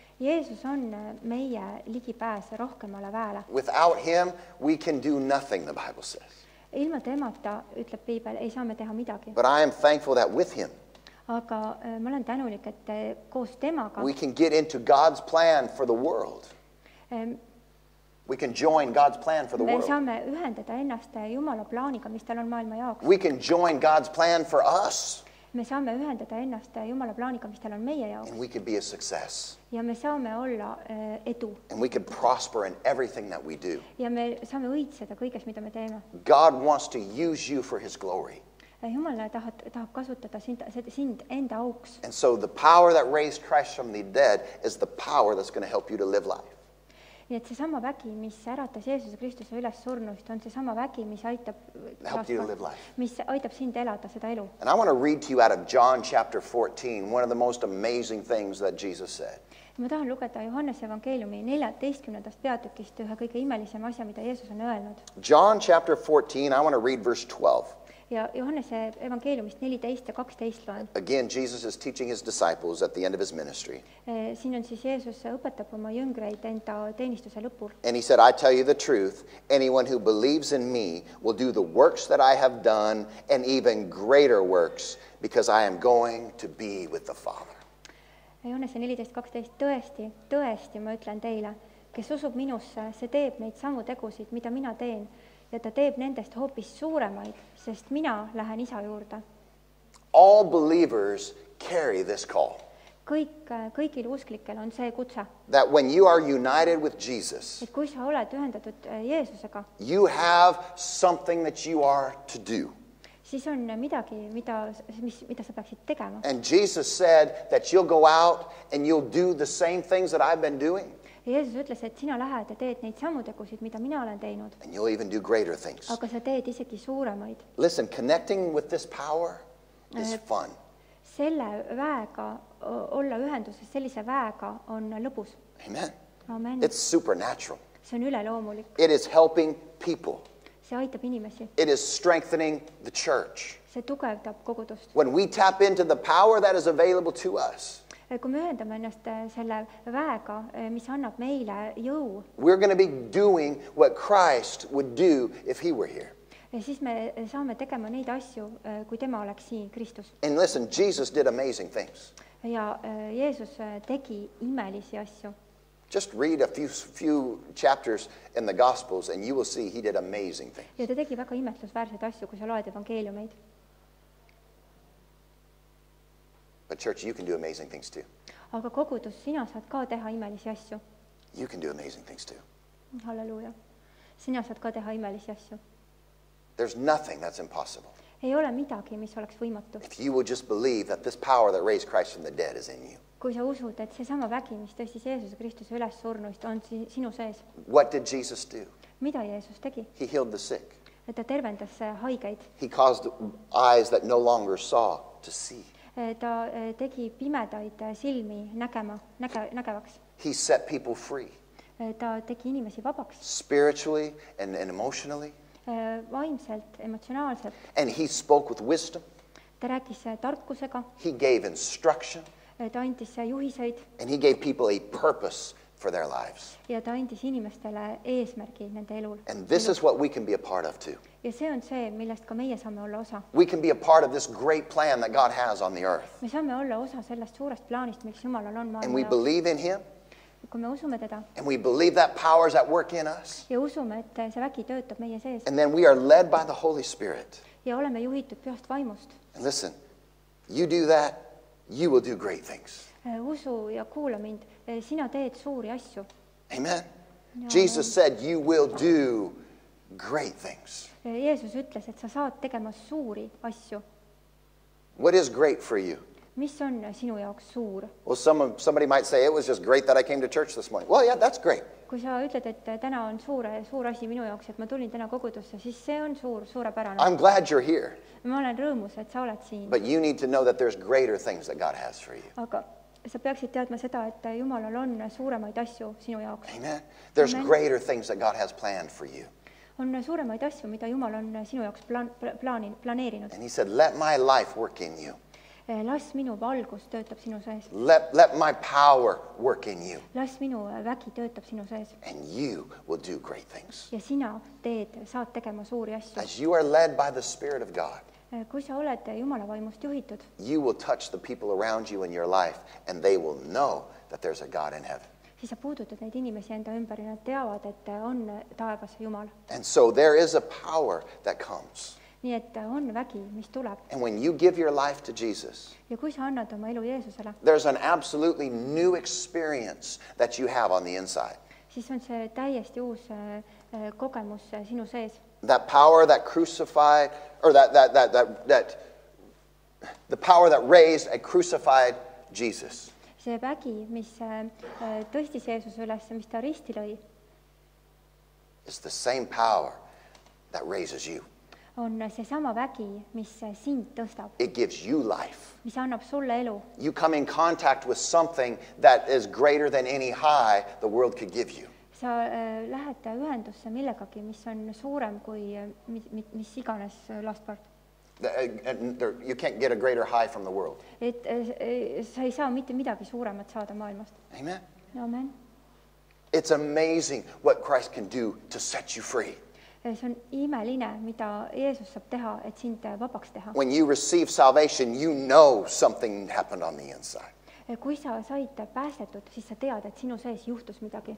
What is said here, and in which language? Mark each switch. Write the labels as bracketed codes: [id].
[et] Jeesus on meie ligipääs rohkemale väele. [en] Without him, we can do nothing, the Bible says. [et] Ilma temata, ütleb Piibel, ei saame teha midagi. [en] But I am thankful that with him, [et] aga ma olen tänulik, et koos temaga, [en] we can get into God's plan for the world. We can join God's plan for the world. [et] Me saame ühendada ennast Jumala plaaniga, mis tal on maailma jaoks. [en] We can join God's plan for us. [et] Me saame ühendada ennast Jumala plaaniga, mis tal on meie jaoks. [en] And we could be a success. [et] Ja me saame olla edu. [en] And we could prosper in everything that we do. [et] Ja me saame õitseda kõiges, mida me teeme. [en] God wants to use you for his glory. [et] Ja Jumala tahab kasutada sind enda auks. [en] And so the power that raised Christ from the dead is the power that's going to help you to live life. [et] Ja et see sama vägi, mis äratas Jeesuse Kristuse üles surnust, on see sama vägi, mis aitab mis aitab sind elada seda elu. [en] And I want to read to you out of John chapter 14, one of the most amazing things that Jesus said. [et] Ma tahan lugeda Johannese evangeeliumi 14. Peatükist ühe kõige imelisem asja, mida Jeesus on öelnud. [en] John chapter 14, I want to read verse 12. [et] Ja Johannese evangeeliumist 14 ja 12 loen. [en] Again, Jesus is teaching his disciples at the end of his ministry. [et] Siin on siis Jeesus õpetab oma jüngreid enda teenistuse lõpul. [en] And he said, I tell you the truth, anyone who believes in me will do the works that I have done and even greater works because I am going to be with the Father. [et] Johannese 14.12. Tõesti, tõesti, ma ütlen teile, kes usub minusse, see teeb neid samu tegusid, mida mina teen, ja ta teeb nendest hoopis suuremaid, sest mina lähen isa juurde. [en] All believers carry this call. [et] Kõigil usklikel on see kutse. [en] That when you are united with Jesus, [et] et kui sa oled ühendatud Jeesusega, [en] you have something that you are to do. [et] Siis on midagi, mida sa peaksid tegema. [en] And Jesus said that you'll go out and you'll do the same things that I've been doing. [et] Jeesus ütles, et sina lähed ja teed neid samutegusid, mida mina olen teinud. [en] And you'll even do greater things. [et] Aga sa teed isegi suuremaid. [en] Listen, connecting with this power is fun. [et] Selle väega, olla ühenduses sellise väega on lõbus. [en] Amen. [et] Amen. [en] It's supernatural. [et] See on üleloomulik. [en] It is helping people. [et] See aitab inimesi. [en] It is strengthening the church. [et] See tugevdab kogudust. [en] When we tap into the power that is available to us, [et] kui me ühendame ennast selle väega, mis annab meile jõu, [en] we're going to be doing what Christ would do if he were here. [et] Ja siis me saame tegema neid asju, kui tema oleks siin, Kristus. [en] And listen, Jesus did amazing things. [et] Ja Jeesus tegi imelisi asju. [en] Just read a few chapters in the Gospels and you will see he did amazing things. [et] Ja ta tegi väga imetlusväärseid asju, kui sa loed evangeeliumeid. [en] But church, you can do amazing things too. [et] Aga kogudus, sina saad ka teha imelisi asju. [en] You can do amazing things too. [et] Halleluja. Sina saad ka teha imelisi asju. [en] There's nothing that's impossible. [et] Ei ole midagi, mis oleks võimatu. [en] If you will just believe that this power that raised Christ from the dead is in you. [et] Kui sa usud, et see sama vägi, mis tõstis Jeesus Kristus üles surnuist, on sinu sees. [en] What did Jesus do? [et] Mida Jeesus tegi? [en] He healed the sick. [et] Et ta tervendas haigeid. [en] He caused eyes that no longer saw to see. [et] Ta tegi pimedaid silmi nägema, nägevaks. [en] He set people free. [et] Ta tegi inimesi vabaks. [en] Spiritually and emotionally. [et] Vaimselt, emotsionaalselt. [en] And he spoke with wisdom. [et] Ta rääkis tarkusega. [en] He gave instruction. [et] Ta andis juhiseid. [en] And he gave people a purpose for their lives. [et] Ja ta andis inimestele eesmärgi nende elul. [en] And this is what we can be a part of too. [et] Ja see on see, millest ka meie saame olla osa. [en] We can be a part of this great plan that God has on the earth. [et] Me saame olla osa sellest suurest plaanist, miks Jumal on maailma. [en] And we believe in him. [et] Kui me usume teda. [en] And we believe that power is at work in us. [et] Ja usume, et see vägi töötab meie sees. [en] And then we are led by the Holy Spirit. [et] Ja oleme juhitud pühast vaimust. [en] And listen, you do that, you will do great things. [et] Usu ja kuula mind. Sina teed suuri asju. [en] Amen. Jesus said, you will do great things. [et] Jeesus ütles, et sa saad tegema suuri asju. [en] What is great for you? [et] Mis on sinu jaoks suur? [en] Well, somebody might say, it was just great that I came to church this morning. Well, yeah, that's great. [et] Kui sa ütled, et täna on suur asi minu jaoks, et ma tulin täna kogudusse, siis see on suurepärane. [en] I'm glad you're here. [et] Ma olen rõõmus, et sa oled siin. [en] But you need to know that there's greater things that God has for you. [et] Aga sa peaksid teadma seda, et Jumalal on suuremaid asju sinu jaoks. [en] Amen. There's greater things that God has planned for you. [et] On suuremaid asju, mida Jumal on sinu jaoks planeerinud. [en] And he said, let my life work in you. [et] Las minu valgus töötab sinu sees. [en] Let my power work in you. [et] Las minu vägi töötab sinu sees. [en] And you will do great things. [et] Ja sina teed, saad tegema suuri asju. [en] As you are led by the Spirit of God. [et] Kui sa oled Jumala vaimust juhitud. [en] You will touch the people around you in your life and they will know that there's a God in heaven. [et] Siis sa puudutad neid inimesi enda ümber ja nad teavad, et on taevas Jumal. [en] And so there is a power that comes. [et] Nii et on vägi, mis tuleb. [en] And when you give your life to Jesus, [et] ja kui sa annad oma elu Jeesusele, [en] there's an absolutely new experience that you have on the inside. [et] Siis on see täiesti uus kogemus sinu sees. [en] That power that crucified, or the power that raised a crucified Jesus. [et] See vägi, mis tõstis Jeesus üles, mis ta risti lõi. [en] It's the same power that raises you. [et] On see sama vägi, mis sind tõstab. [en] It gives you life. [et] Mis annab sulle elu. [en] You come in contact with something that is greater than any high the world could give you. [et] Sa lähed ühendusse millegagi, mis on suurem kui mis iganes [en] last part. You can't get a greater high from the world. [et] Et sa ei saa mitte midagi suuremat saada maailmast. [en] Amen. [et] Amen. [en] It's amazing what Christ can do to set you free. [et] See on imeline, mida Jeesus saab teha, et sind vabaks teha. [en] When you receive salvation, you know something happened on the inside. [et] Kui sa said päästetud, siis sa tead, et sinu sees juhtus midagi.